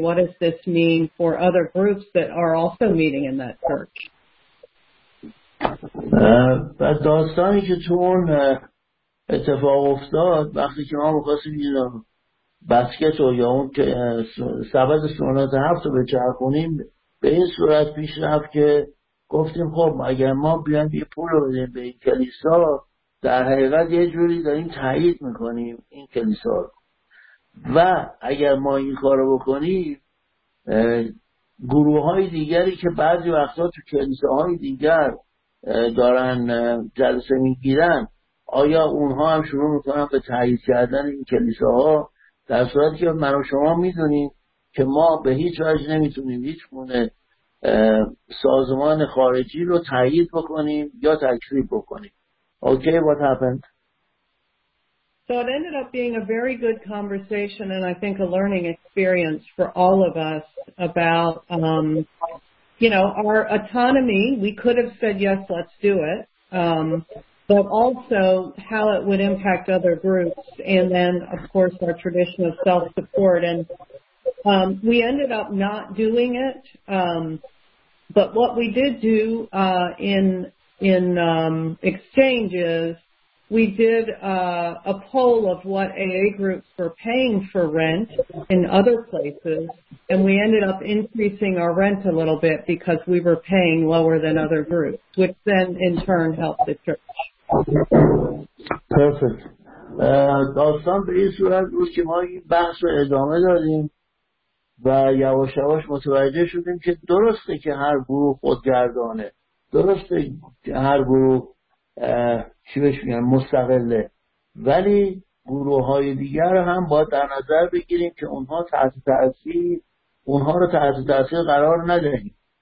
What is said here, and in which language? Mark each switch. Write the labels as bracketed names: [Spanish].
[English] What does this mean for other groups that are also meeting in that church? [Persian] بعد داستانی که تو اون اتفاق افتاد وقتی که ما میخواستیم بسکت و یا اون سبد سنت هفت رو به چرخونیم به این صورت پیش رفت که گفتیم خب اگر ما بیان یه پول رو بدیم به این کلیسا در حقیقت یه جوری داریم تایید میکنیم این کلیسا رو و اگر ما این کار رو بکنیم گروه های دیگری که بعضی وقتا تو کلیسا های دیگر دارن جلسه میگیرن آیا اونها هم شروع میکنن به تایید کردن این کلیساها در صورتی که من و شما میدونیم که ما به هیچ وجه نمیتونیم هیچ گونه سازمان خارجی رو تایید بکنیم یا تکذیب بکنیم. [English] Okay, what happened? So it ended up being a very good conversation and I think a learning experience for all of us about you know, our autonomy. We could have said, yes, let's do it, but also how it would impact other groups, and then, of course, our tradition of self-support. And we ended up not doing it, but what we did do in exchange is we did a poll of what AA groups were paying for rent in other places, and we ended up increasing our rent a little bit because we were paying lower than other groups, which then in turn helped the church. Perfect. [Persian] داستان به این صورت بود که ما این بحث رو ادامه دادیم و یواش یواش متوجه شدیم که درسته که هر گروه خودگردانه. درسته که هر گروه چی بهش میگن مستقله، ولی گروه های دیگر هم باید در نظر بگیریم که اونها تحت تأثیر، اونها رو تحت تأثیر قرار ندهیم.